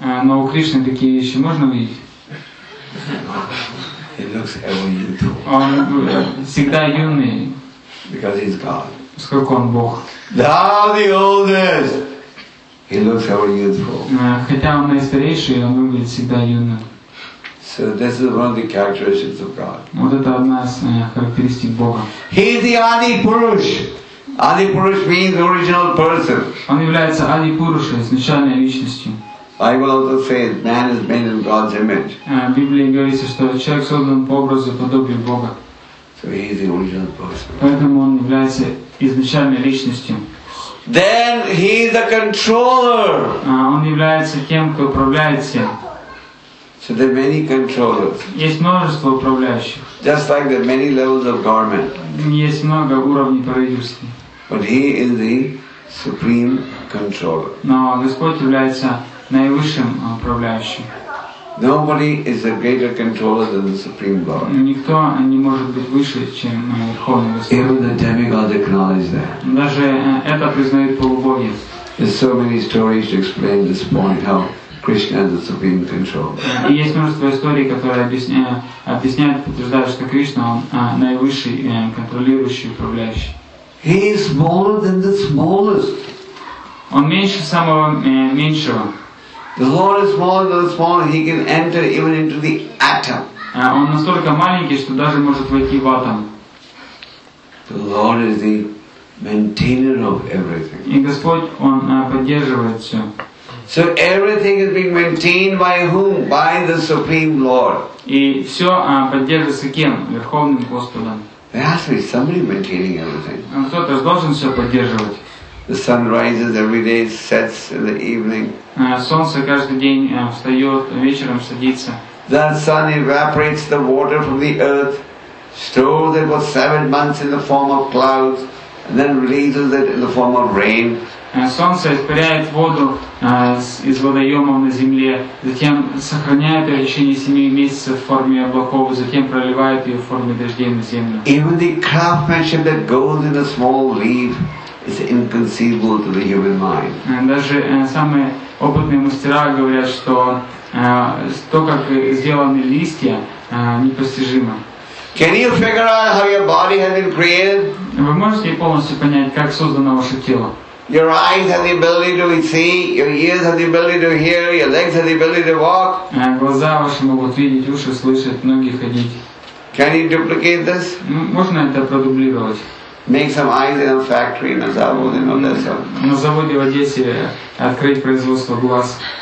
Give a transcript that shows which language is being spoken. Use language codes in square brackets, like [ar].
[ru] Но у Кришны такие вещи можно увидеть? [en] He looks heavily youthful. [ru] Он всегда юный. [en] Because he's God. [ru] Сколько он Бог? [en] Thou the oldest. He looks heavily youthful. [ru] Хотя он старейший, он выглядит всегда юным. [en] So this is one of the characteristics of God. [ru] Вот это одна из характеристик Бога. [en] He is the Adi Purush. Adi Purush means the original person. [ru] Он является Adi Purush, изначальной личностью. [en] Bible also says man is made in God's image. [ru] Библия говорит, что человек создан по образу и подобию Бога. [en] So he is the original person. [ru] Поэтому он является изначальной личностью. [en] Then he is the controller. [ru] Он является тем, кто управляет всем. [en] So there are many controllers. [ru] Есть множество управляющих. [en] Just like there are many levels of government. [ru] Есть много уровней правительства. [en] But he is the supreme controller. [ru] Но Господь является наивысшим управляющим. [en] Nobody is a greater controller than the supreme God. [ru] Никто не может быть выше, чем Верховный Господь. [en] Even the demigods acknowledge that. [ru] Даже это признают полубоги. [en] There's so many stories to explain this point how Krishna is the supreme control. [ru] И есть множество историй, которые объясняют, подтверждают, что Кришна он наивысший контролирующий управляющий. [en] He is smaller than the smallest. [ru] Он меньше самого меньшего. [en] The Lord is smaller than the smallest. He can enter even into the atom. [ru] Он настолько маленький, что даже может войти в атом. [en] The Lord is the maintainer of everything. [ru] И Господь он поддерживает все. [en] So everything is being maintained by whom? By the Supreme Lord. [ru] И все поддерживается кем? Верховным Господом. [en] There has to be somebody maintaining everything. [ru] Кто-то должен все поддерживать. [en] The sun rises every day, sets in the evening. [ru] Солнце каждый день встает, вечером садится. [en] That sun evaporates the water from the earth, stores it for 7 months in the form of clouds, and then releases it in the form of rain. [ru] Солнце испаряет воду из водоемов на земле, затем сохраняет ее в течение 7 месяцев в форме облаков, затем проливает ее в форме дождей на землю. [en] Even the craftsmanship that goes in a small leaf is inconceivable to the human mind. [ru] Даже самые опытные мастера говорят, что то, как сделаны листья, непостижимо. [en] Can you figure out how your body has been created? [ru] Вы можете полностью понять, как создано ваше тело? [en] Your eyes have the ability to see, your ears have the ability to hear, your legs have the ability to walk. [ru] Глаза ваши могут видеть, уши слышать, ноги ходить. [en] Can you duplicate this? [ru] Можно это продублировать. [en] Make some eyes in a factory, in a завод, in Odessa. [ru] На заводе в Одессе открыть производство глаз.